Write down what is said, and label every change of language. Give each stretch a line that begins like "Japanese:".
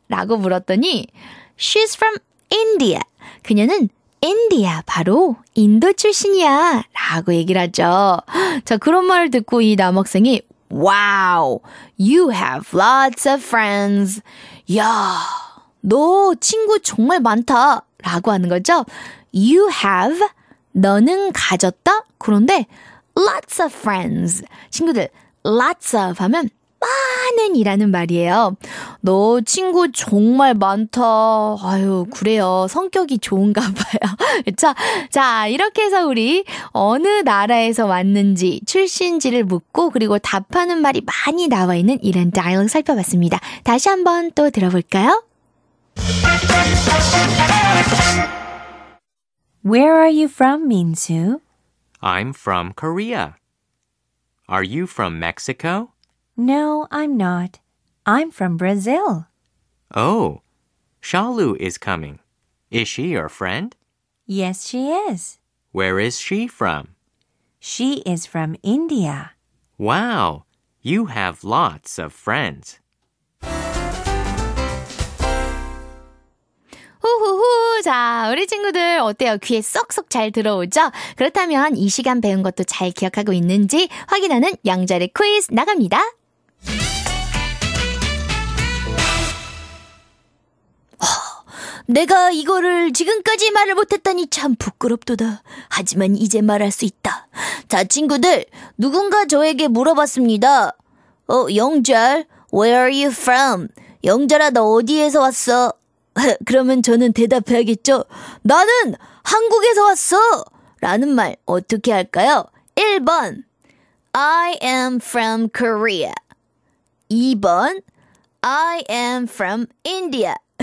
Korean: 라고 물었더니
English: She's from India.
Korean: 그녀는 India, 바로 인도 출신이야. 라고 얘기를 하죠. 자, 그런 말을 듣고 이 남학생이
English: Wow, you have lots of friends.
Korean: 야, 너 친구 정말 많다. 라고 하는 거죠.
English: You have,
Korean: 너는 가졌다. 그런데 lots of friends. 친구들, lots of 하면 많은 이라는 말이에요. 너 친구 정말 많다. 아유, 그래요. 성격이 좋은가 봐요. 자, 자, 이렇게 해서 우리 어느 나라에서 왔는지, 출신지를 묻고 그리고 답하는 말이 많이 나와 있는 이런 다이얼로그 살펴봤습니다. 다시 한번 또 들어볼까요?
English: Where are you from, Minsu? I'm from Korea. Are you from Mexico? No, I'm not. I'm from Brazil. Oh, Shalu is coming. Is she your friend? Yes, she is. Where is she from? She is from India. Wow, you have lots of friends.
Korean: 후후후, 자, 우리 친구들 어때요? 귀에 쏙쏙 잘 들어오죠? 그렇다면 이 시간 배운 것도 잘 기억하고 있는지 확인하는 영자리 퀴즈 나갑니다. 내가 이거를 지금까지 말을 못했다니 참 부끄럽도다. 하지만 이제 말할 수 있다. 자, 친구들, 누군가 저에게 물어봤습니다.
English: 어, 영절, where are you from?
Korean: 영절아, 너 어디에서 왔어? 그러면 저는 대답해야겠죠. 나는 한국에서 왔어! 라는 말 어떻게 할까요?
English: 1번, I am from Korea. 2번, I am from India.